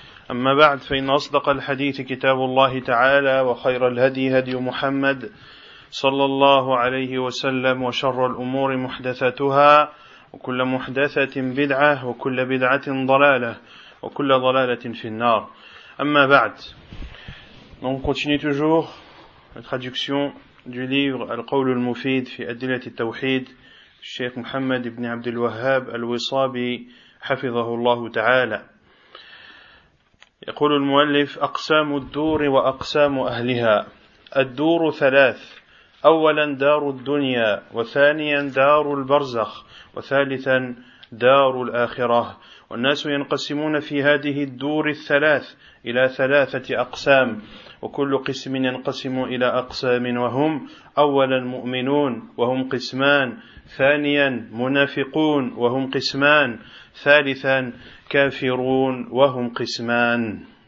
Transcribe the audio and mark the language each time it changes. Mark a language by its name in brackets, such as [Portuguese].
[Arabic] أما بعد فإن أصدق الحديث كتاب الله تعالى وخير الهدي هدي محمد صلى الله عليه وسلم وشر الأمور محدثاتها وكل محدثة بدعة وكل بدعة ضلالة وكل ضلالة في النار أما بعد. [French] Donc continue toujours la traduction du livre Al-Qawl al-Mufid fi Adilat al-Tawhid, Sheikh Mohammed ibn Abdel Wahhab al-Wisabi [Arabic] حفظه الله تعالى. يقول المؤلف أقسام الدور وأقسام أهلها. الدور ثلاث: أولا دار الدنيا، وثانيا دار البرزخ، وثالثا دار الآخرة. والناس ينقسمون في هذه الدور الثلاث إلى ثلاثة أقسام، وكل قسم ينقسم إلى أقسام، وهم: أولا مؤمنون وهم قسمان، ثانيا منافقون وهم قسمان، ثالثا كافرون وهم قسمان.